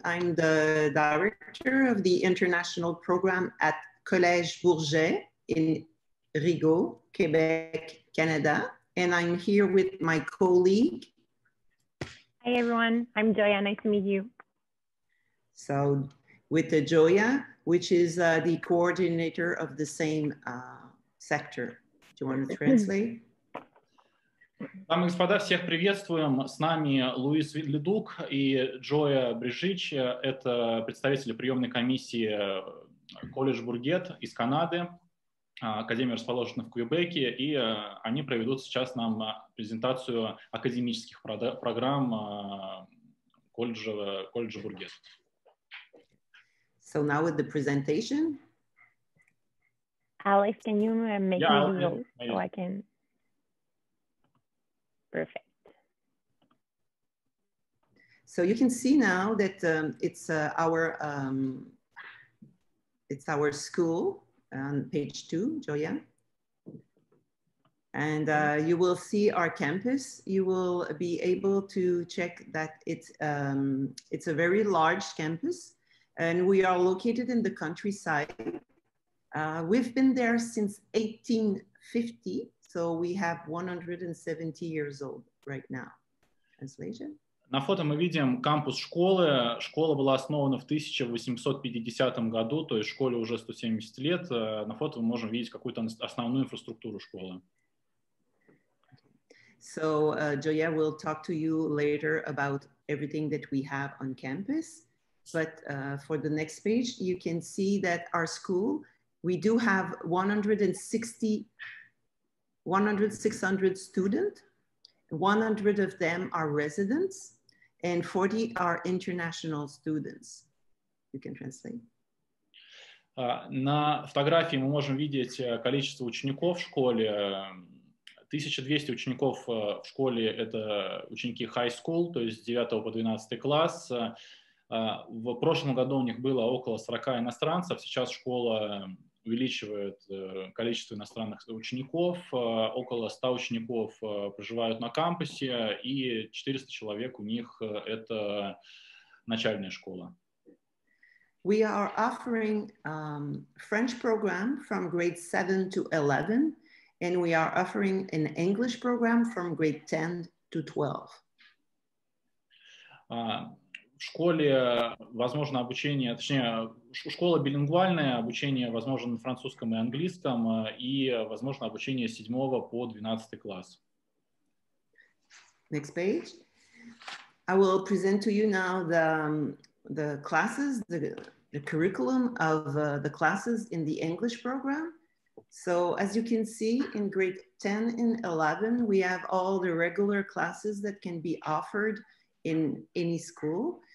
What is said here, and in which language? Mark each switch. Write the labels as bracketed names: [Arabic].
[English] I'm the director of the international program at Collège Bourget in Rigaud, Quebec, Canada. And I'm here with my colleague. Hi everyone, I'm Joya. Nice to meet you. So with Joya, which is the coordinator of the same sector. Do you want to translate? [Russian] Дамы и господа, всех приветствуем. С нами Луис Ледук и Джоя Брижич. Это представители приемной комиссии колледж Бургет из Канады. Академия расположена в Квебеке, и они проведут сейчас нам презентацию академических программ колледжа Бургет. [English] So now with the presentation. Alex, can you make me so I can... Perfect. So you can see now that it's our school on page 2, Joya. And you will see our campus. You will be able to check that it's a very large campus, and we are located in the countryside. We've been there since 1850. So we have 170 years old right now. Translation. [Russian] На фото мы видим кампус школы. Школа была основана в 1850 году, то есть школе уже 170 лет. На фото мы можем видеть какую-то основную инфраструктуру школы. [English] So Joya will talk to you later about everything that we have on campus. But for the next page, you can see that our school, we do have 100-600 students, 100 of them are residents, and 40 are international students. You can translate. [Russian] На фотографии мы можем видеть количество учеников в школе. 1200 учеников в школе — это ученики high school, то есть с 9 по 12 класс. В прошлом году у них было около 40 иностранцев, сейчас школа увеличивает количество иностранных учеников. Около 100 учеников проживают на кампусе, и 400 человек у них — это начальная школа. [English] We are offering French program from grade 7 to 11, and we are offering an English program from grade 10 to 12. [Russian] В школе возможно обучение, точнее, школа билингвальная, обучение возможно на французском и английском, и возможно обучение с 7 по 12 класс. [English] Next page. I will present to you now the classes, the curriculum of the classes in the English program. So, as you can see, in grade 10 and 11, we have all the regular classes that can be offered in any school.